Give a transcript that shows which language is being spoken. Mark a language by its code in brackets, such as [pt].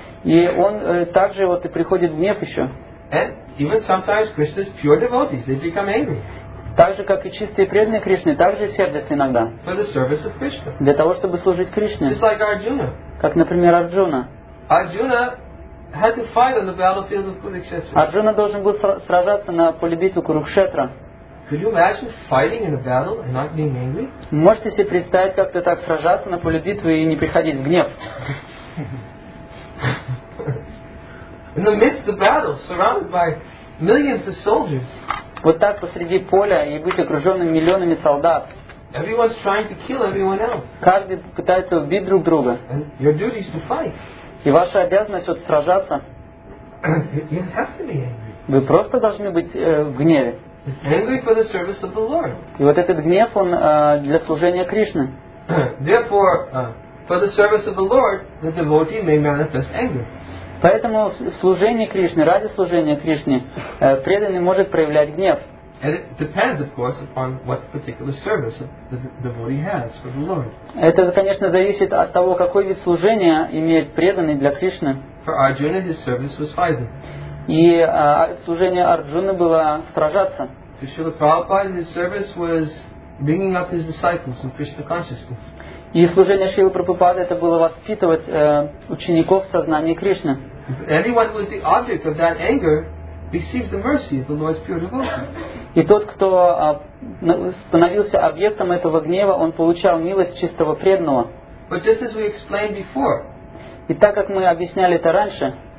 [ru] И он также вот и приходит в гнев еще. [en] And even sometimes Krishna's pure devotees, they become angry. [ru] Так же, как и чистые преданные Кришны, также сердятся иногда. [en] For the service of Krishna. [ru] Для того, чтобы служить Кришне. [en] Just like Arjuna. [ru] Как, например, Арджуна. [en] Arjuna had to fight on the battlefield of Kurukshetra. [ru] Арджуна должен был сражаться на поле битвы Курукшетра. [en] Could you imagine fighting in a battle and not being angry? [ru] Можете себе представить, как ты так сражаться на поле битвы и не приходить в гнев? [en] In the midst of battle, surrounded by millions of soldiers. [ru] Вот так посреди поля и быть окруженным миллионами солдат. [en] Everyone's trying to kill everyone else. [ru] Каждый пытается убить друг друга. [en] And your duty is to fight. [ru] И ваша обязанность вот сражаться. [en] You have to be angry. [ru] Вы просто должны быть в гневе. [en] Angry for the service of the Lord. [ru] И вот этот гнев, он для служения Кришны. [en] Therefore, for the service of the Lord, the devotee may manifest anger. [ru] Поэтому в служении Кришне, ради служения Кришне, преданный может проявлять гнев. [en] And it depends, of course, upon what particular service the devotee has for the Lord. [ru] Это, конечно, зависит от того, какой вид служения имеет преданный для Кришны. [en] For Arjuna, his service was fighting. [ru] И служение Арджуны было сражаться. [en] To Srila Prabhupada, his service was bringing up his disciples in Krishna consciousness. [ru] И служение Шрилы Прабхупады это было воспитывать учеников в сознании Кришны. [en] Anyone who is the object of that anger receives the mercy of the Lord's pure devotee. [ru] И тот, кто становился объектом этого гнева, он получал милость чистого преданного. [en] But just as we explained before. [ru] И так как мы объясняли это раньше.